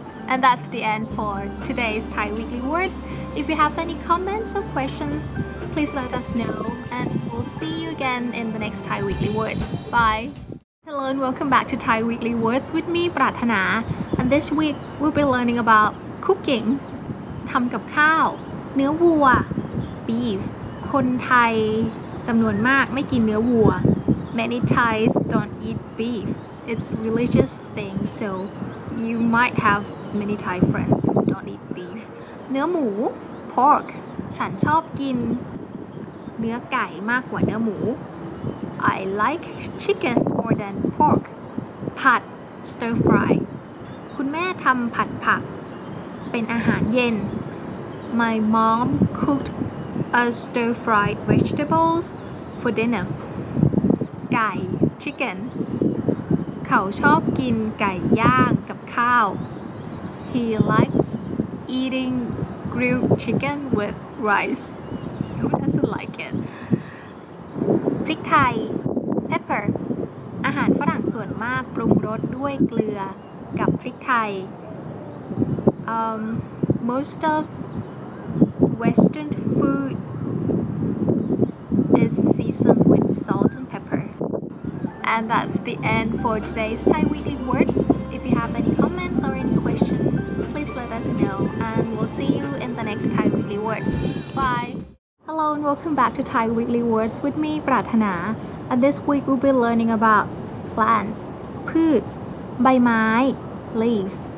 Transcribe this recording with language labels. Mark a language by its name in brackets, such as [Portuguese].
[English] And that's the end for today's Thai Weekly Words. If you have any comments or questions, please let us know. And we'll see you again in the next Thai Weekly Words. Bye. Hello and welcome back to Thai Weekly Words with me, Prathana. And this week, we'll be learning about cooking. ทำกับข้าวเนื้อวัว beef [Thai] คนไทยจำนวนมากไม่กินเนื้อวัว [English] Many Thais don't eat beef. It's a religious thing, so you might have many Thai friends who don't eat beef. เนื้อหมู pork [Thai] ฉันชอบกินเนื้อไก่มากกว่าเนื้อหมู [English] I like chicken more than pork. ผัด stir fry. [Thai] คุณแม่ทำผัดผักเป็นอาหารเย็น [English] My mom cooked a stir-fried vegetables for dinner. ไก่ chicken. [Thai] เขาชอบกินไก่ย่างกับข้าว [English] He likes eating grilled chicken with rice. Who doesn't like it? พริกไทย pepper. [Thai] อาหารฝรั่งส่วนมากปรุงรสด้วยเกลือกับพริกไทย [English] most of Western food is seasoned with salt and pepper. And that's the end for today's Thai Weekly Words. If you have any comments or any question, please let us know. And we'll see you in the next Thai Weekly Words. Bye! Hello and welcome back to Thai Weekly Words with me, Prathana. And this week we'll be learning about plants, พืช ใบไม้ leaf.